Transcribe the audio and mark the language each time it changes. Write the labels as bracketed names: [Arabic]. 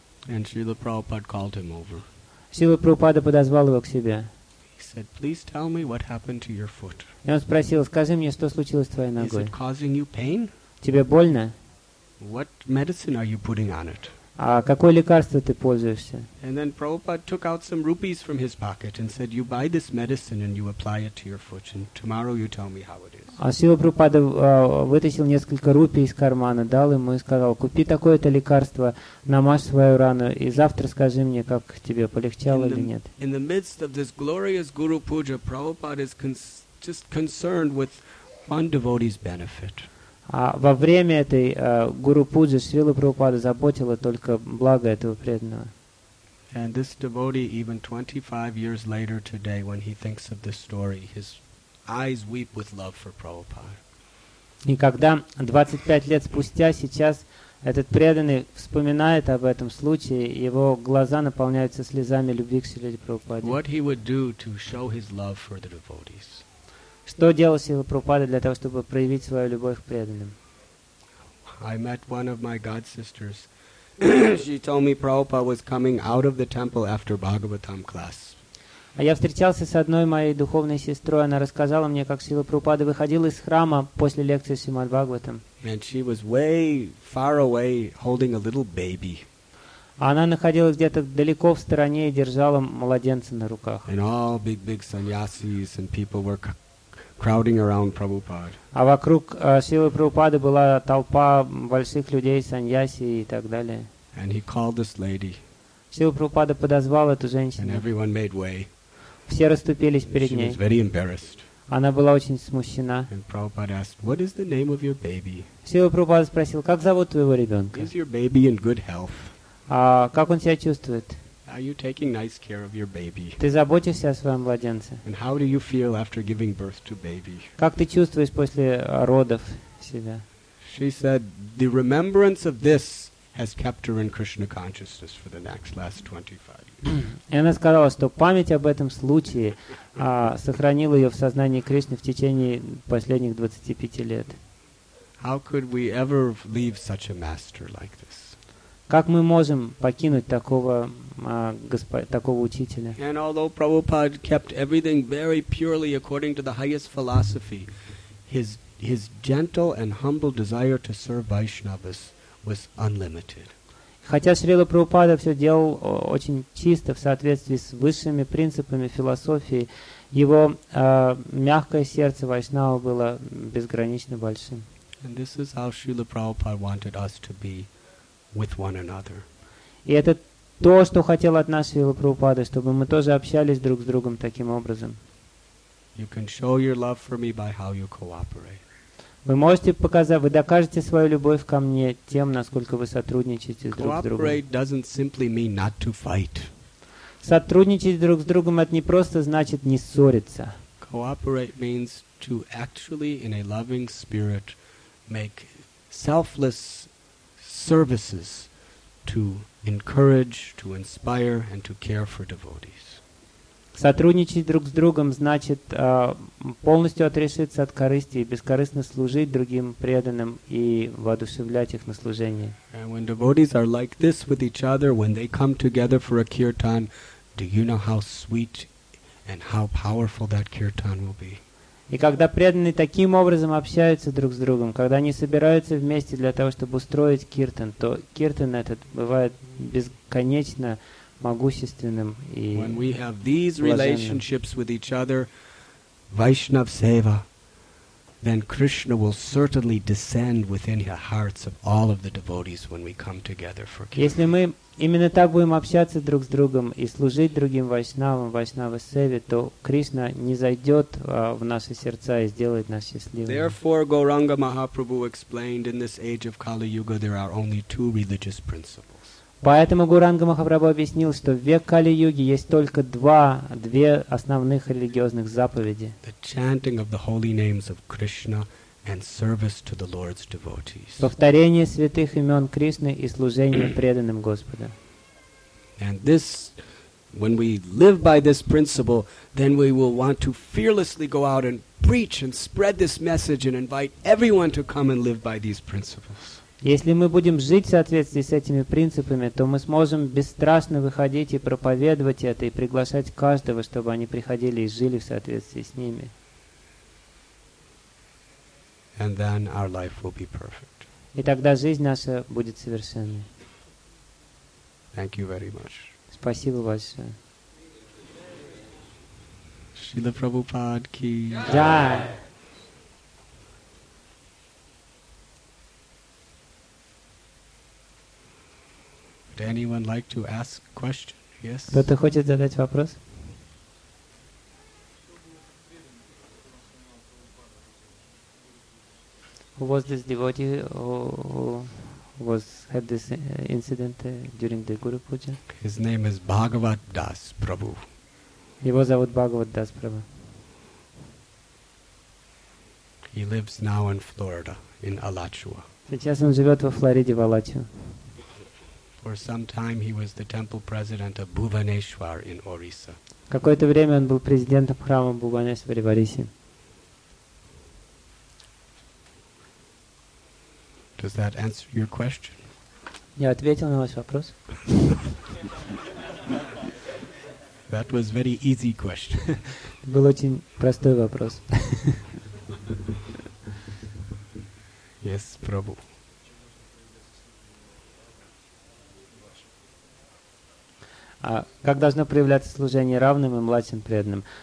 [English] And Srila Prabhupada called him over. [Russian] Srila Prabhupada подозвал его к себе. [English] Said, please tell me what happened to your foot. [Russian] И он спросил, скажи мне, что случилось с твоей ногой? [English] Is it causing you pain? [Russian] Тебе больно? [English] What medicine are you putting on it? [Russian] А какое лекарство ты пользуешься? [English] And then Prabhupada took out some rupees from his pocket and said, you buy this medicine and you apply it to your foot and tomorrow you tell me how it is. [Russian] А Сила Прабхупада вытащил несколько рупий из кармана, дал ему и сказал, купи такое-то лекарство, намажь свою рану и завтра скажи мне, как тебе, полегчало или нет. [English] In the midst of this glorious Guru Puja, Prabhupada is just concerned with one devotee's benefit. [Russian] Во время этой гуру-пуджи Шрила Прабхупада заботила только благо этого преданного. [English] And this devotee, even 25 years later today, when he thinks of this story, his eyes weep with love for Prabhupada. [Russian] И когда 25 лет спустя сейчас этот преданный вспоминает об этом случае, его глаза наполняются слезами любви к Шриле Прабхупаде. [English] What he would do to show his love for the devotees. [Russian] Что делал Сила Прабхупада для того, чтобы проявить свою любовь к преданным? [English] I met one of my god sisters. She told me Prabhupada was coming out of the temple after Bhagavatam class. [Russian] А я встречался с одной моей духовной сестрой. Она рассказала мне, как Сила Прабхупада выходил из храма после лекции Шримад Бхагаватам. [English] And she was way far away holding a little baby. [Russian] Она находилась где-то далеко в стороне и держала младенца на руках. [English] And all big sannyasis and people were crowding around Prabhupada. [Russian] А вокруг Шрилы Прабхупады была толпа больших людей, саньяси и так далее. [English] And he called this lady. [Russian] Шрила Прабхупада подозвал эту женщину. [English] And everyone made way. [Russian] Все расступились перед ней. [English] She was very embarrassed. [Russian] Она была очень смущена. [English] And Prabhupada asked, "What is the name of your baby?" [Russian] Шрила Прабхупада спросил, как зовут твоего ребенка? [English] Is your baby in good health? [Russian] Как он себя чувствует? [English] Are you taking nice care of your baby? [Russian] Ты заботишься о своем младенце? [English] And how do you feel after giving birth to baby? [Russian] Как ты чувствуешь после родов себя? [English] She said, "The remembrance of this has kept her in Krishna consciousness for the next last 25 years." [Russian] И она сказала, что память об этом случае сохранила ее в сознании Кришны в течение последних 25 лет. [English] How could we ever leave such a master like this? [Russian] Как мы можем покинуть такого учителя? [English] And although Prabhupada kept everything very purely according to the highest philosophy, his gentle and humble desire to serve Vaishnavas was unlimited. [Russian] Хотя Шрила Прабхупада все делал очень чисто в соответствии с высшими принципами философии, его мягкое сердце вайшнава было безгранично большим. [English] And this is how Srila Prabhupada wanted us to be with one another. [Russian] И это то, что хотел от нас Шрила Прабхупада, чтобы мы тоже общались друг с другом таким образом. [English] You can show your love for me by how you cooperate. [Russian] Вы можете показать, вы докажете свою любовь ко мне тем, насколько вы сотрудничаете друг с другом. [English] Cooperate doesn't simply mean not to fight. [Russian] Сотрудничать друг с другом это не просто значит не ссориться. [English] Cooperate means to actually in a loving spirit make selfless services to encourage, to inspire and to care for devotees. [Russian] Сотрудничать друг с другом значит полностью отрешиться от корысти и бескорыстно служить другим преданным и воодушевлять их на служение. [English] And when devotees are like this with each other, when they come together for a kirtan, do you know how sweet and how powerful that kirtan will be? [Russian] И когда преданные таким образом общаются друг с другом, когда они собираются вместе для того, чтобы устроить киртан, то киртан этот бывает бесконечно могущественным и [English] When we have these relationships with each other, Vaishnav Seva, then Krishna will certainly descend within the hearts of all of the devotees when we come together for kirtan. [Russian] Если мы именно так будем общаться друг с другом и служить другим вайшнавам, вайшнава-севе, то Кришна не зайдет в наши сердца и сделает нас счастливыми. [English] Therefore, Gauranga Mahaprabhu explained, in this age of Kali-Yuga there are only two religious principles. [Russian] Поэтому Гуранга Махапрабху объяснил, что в век Кали-Юги есть только две основных религиозных заповеди. [English] The chanting of the holy names of Krishna and service to the Lord's devotees. [Russian] Повторение святых имен Кришны и служение преданным Господа. [English] And this, when we live by this principle, then we will want to fearlessly go out and preach and spread this message and invite everyone to come and live by these principles. [Russian] Если мы будем жить в соответствии с этими принципами, то мы сможем бесстрашно выходить и проповедовать это и приглашать каждого, чтобы они приходили и жили в соответствии с ними. [English] And then our life will be perfect. [Russian] И тогда жизнь наша будет совершенной. [English] Thank you very much. [Russian] Спасибо большое. [Hindi] Шрила Прабхупада ки джай. [English] Would anyone like to ask a question? Yes. [Russian] Кто-то хочет задать вопрос? [English] Who was this devotee who had this incident during the Guru Puja? His name is Bhagavat Das Prabhu. He was about Bhagavat Das Prabhu. He lives now in Florida, in Alachua. [Russian] Сейчас он живет во Флориде, в Алачуа. [English] For some time he was the temple president of Bhuvaneshwar in Orissa. [Russian] Какое-то время он был президентом храма Бхубанешвари в Орисе. [English] Does that answer your question? [Russian] Я ответил на ваш вопрос. [English] That was very easy question. [Russian] Был очень простой вопрос. [English] Yes, Prabhu. [Russian] Как должно проявляться служение равным и младшим преданным?